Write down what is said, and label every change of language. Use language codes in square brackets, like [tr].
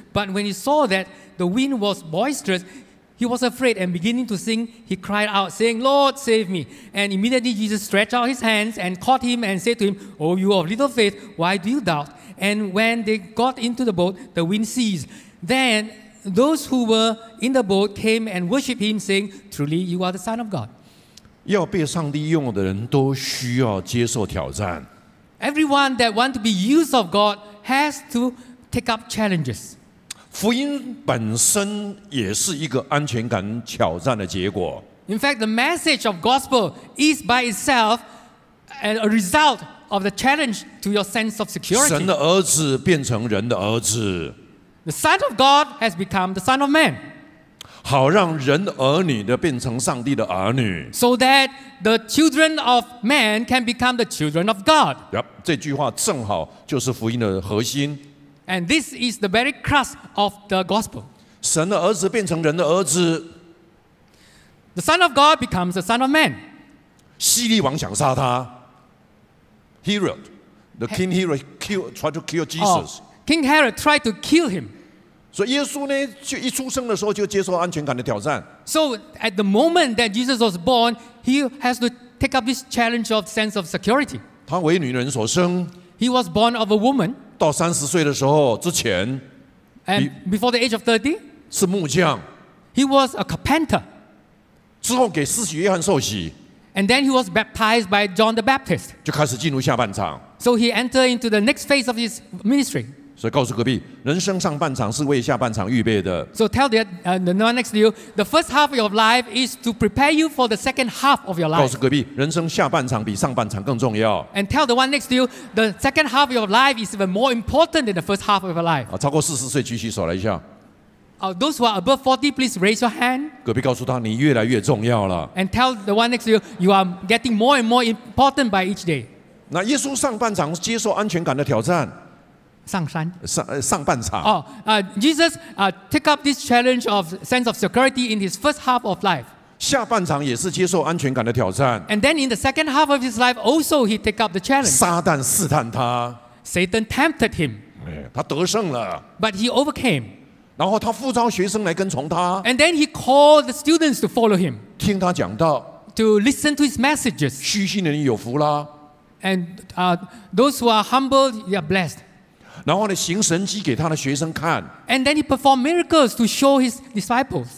[en] But when he saw that the wind was boisterous, he was afraid and beginning to sink, he cried out, saying, Lord, save me. And immediately Jesus stretched out his hands and caught him and said to him, O you of little faith, why do you doubt? And when they got into the boat, the wind ceased. Then those who were in the boat came and worshipped him, saying, truly, you are the Son of God. [zh] 要被上帝用的人都需要接受挑战。 [en] Everyone that wants to be used of God has to take up challenges. [zh] 福音本身也是一个安全感挑战的结果。 [en] In fact, the message of gospel is by itself a result of the challenge to your sense of security. [zh] 神的儿子变成人的儿子。 [en] The Son of God has become the Son of Man. [zh] 好让人的儿女的变成上帝的儿女。 [en] So that the children of man can become the children of God. [zh] Yep, 这句话正好就是福音的核心。 [en] And this is the very crux of the gospel. [zh] 神的儿子变成人的儿子。 [en] The Son of God becomes the Son of Man. [zh] 希律王想杀他。 [en] Herod, the king Herod tried to kill Jesus. King Herod tried to kill him. [zh] 所以耶稣呢，就一出生的时候就接受安全感的挑战。 [en] So at the moment that Jesus was born, he has to take up this challenge of sense of security. [zh] 他为女人所生。 [en] He was born of a woman. [zh] 到三十岁的时候之前 [en] ，and before the age of 30, [zh] 是木匠。 [en] He was a carpenter. [zh] 之后给施洗约翰受洗。 [en] And then he was baptized by John the Baptist. [zh] 就开始进入下半场。 [en] So he entered into the next phase of his ministry. [zh] 所以告诉隔壁，人生上半场是为下半场预备的。 [en] So tell the one next to you, the first half of your life is to prepare you for the second half of your life. [zh] 告诉隔壁，人生下半场比上半场更重要。 [en] And tell the one next to you, the second half of your life is even more important than the first half of your life. [zh] 超过40岁，举起手来一下。 [en] Those who are above 40, please raise your hand. [zh] 隔壁告诉他，你越来越重要了。 [en] And tell the one next to you, you are getting more and more important by each day. [zh] 那耶稣上半场接受安全感的挑战。上山。上半场。 [en] Jesus took up this challenge of sense of security in his first half of life. [zh] 下半场也是接受安全感的挑战。 [en] And then in the second half of his life, also he took up the challenge. [zh] 撒旦试探他。 [en] Satan tempted him. [zh] 他得胜了。 [en] But he overcame. [zh] 然后他呼召学生来跟从他。 [en] And then he called the students to follow him. [zh] 听他讲道。 [en] To listen to his messages. [zh] 虚心的人有福啦。 [en] And those who are humble, they are blessed. [zh] 然后呢，行神迹给他的学生看。 [en] And then he performed miracles to show his disciples.